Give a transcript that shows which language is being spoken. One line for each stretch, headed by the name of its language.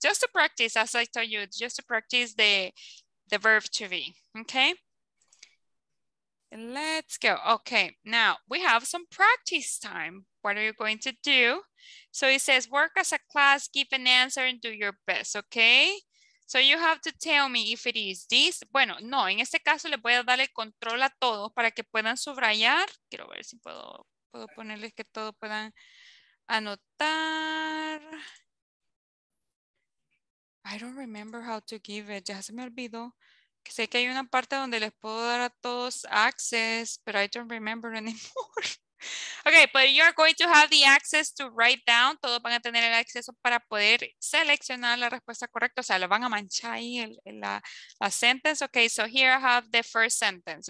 English: Just to practice, as I told you, just to practice the verb to be. Okay. Let's go. Okay. Now we have some practice time. What are you going to do? So it says work as a class, give an answer, and do your best. Okay. So you have to tell me if it is this.
Spanish: Bueno, no, en este caso les voy a dar el control a todos para que puedan subrayar. Quiero ver si puedo ponerles que todos puedan anotar.
English: I don't remember how to give it.
Spanish: Ya se me olvidó. Sé que hay una parte donde les puedo dar a todos access,
English: but I don't remember anymore. Okay, but you are going to have the access to write down.
Spanish: Todos van a tener el acceso para poder seleccionar la respuesta correcta. O sea, lo van a manchar ahí la sentence.
English: Okay, so here I have the first sentence.